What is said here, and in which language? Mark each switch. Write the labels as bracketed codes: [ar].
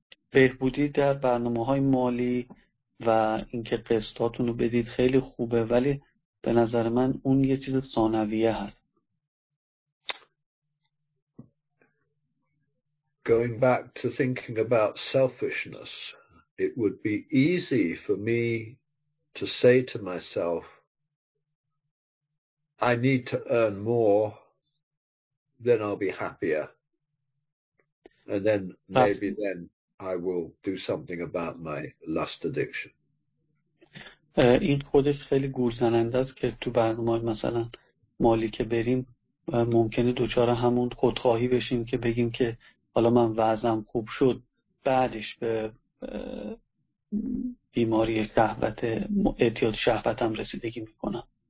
[fa] بهبودی در برنامه‌های مالی و اینکه قسطاتونو بدید خیلی خوبه، ولی به نظر من اون یه چیز ثانویه هست. [en] Going back to thinking about selfishness, it would be easy for me to say to myself, I need to earn more, then I'll be happier. And then maybe then I will do something about my lust addiction. [fa] این خودش خیلی گول‌زننده است که تو برنامه‌های مثلا مالی که بریم ممکنه دوچار همون خودخواهی بشیم که بگیم که حالا من وزنم خوب شد بعدش به بیماری شهوت اعتیاد شهوتم رسیدگی میکنم.